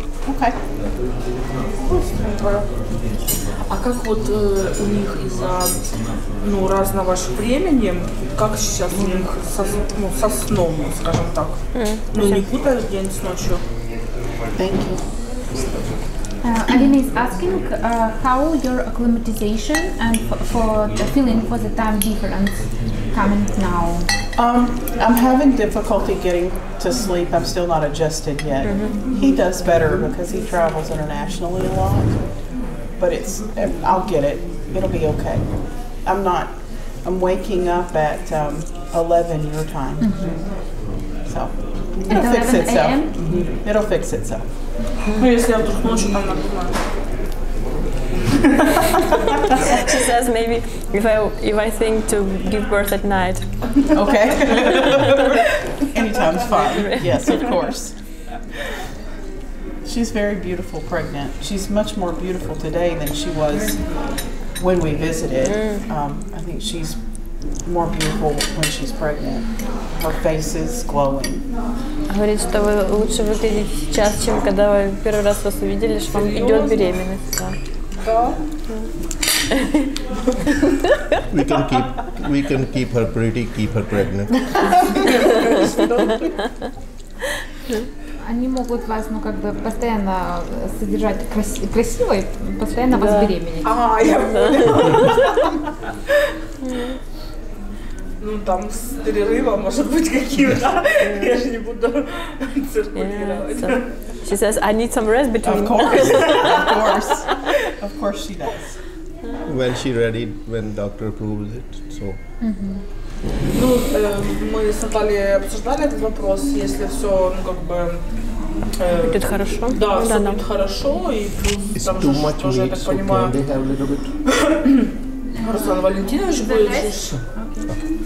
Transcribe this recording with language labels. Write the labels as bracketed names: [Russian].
[English] Okay. [Russian] Okay. А как вот у них из-за ну, разного времени, как сейчас у них со, ну, со сном, скажем так? Mm-hmm. Ну не путают день с ночью. [English] Thank you. Alina is asking how your acclimatization and for the feeling for the time difference coming now. I'm having difficulty getting to sleep. I'm still not adjusted yet. Mm-hmm. He does better because he travels internationally a lot. But it's I'll get it. It'll be okay. I'm not. I'm waking up at 11 your time. Mm-hmm. So. It'll fix itself. Mm-hmm. It'll fix itself. She says maybe if I think to give birth at night. Okay. Anytime's fine. Yes, of course. She's very beautiful pregnant. She's much more beautiful today than she was when we visited. I think she's more beautiful when she's pregnant. Her face is glowing. [Russian] Говорит, что вы лучше выглядите сейчас, чем когда вы первый раз вас увидели, что вам идет беременность. Да. [English] We can keep her pretty, keep her pregnant. [Russian] Они могут вас, ну, как бы, постоянно содержать красивой, постоянно вас беременеть. А, я понял. Ну, там с перерыва, может быть, какие-то. Я же не буду циркулировать. [English] She says, I need some rest between. Of course. Of course. Of course she does. When she ready, when doctor approves it, so. Mm-hmm. [Russian] Ну, мы с Натальей обсуждали этот вопрос, если все, ну, как бы... будет хорошо. Да, все будет хорошо, и плюс... [English] It's too much [Russian] тоже, [English] meat, so [Russian] понимаю. [English] Can they have a little bit? [Russian] Руслан Валентинович будет...